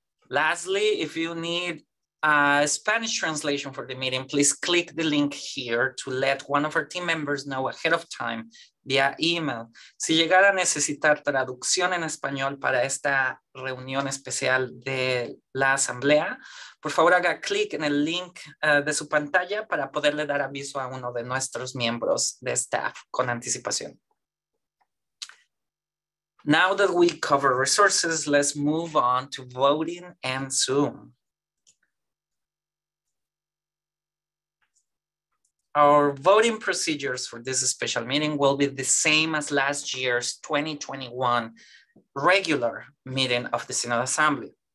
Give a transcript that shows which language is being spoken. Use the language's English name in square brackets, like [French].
[English] Lastly, if you need a Spanish translation for the meeting, please click the link here to let one of our team members know ahead of time via email. [Spanish] Si llegara a necesitar traducción en español para esta reunión especial de la asamblea, por favor haga clic en el link de su pantalla para poderle dar aviso a uno de nuestros miembros de staff con anticipación. [English] Now that we cover resources, let's move on to voting and Zoom. Our voting procedures for this special meeting will be the same as last year's 2021 regular meeting of the Synod Assembly.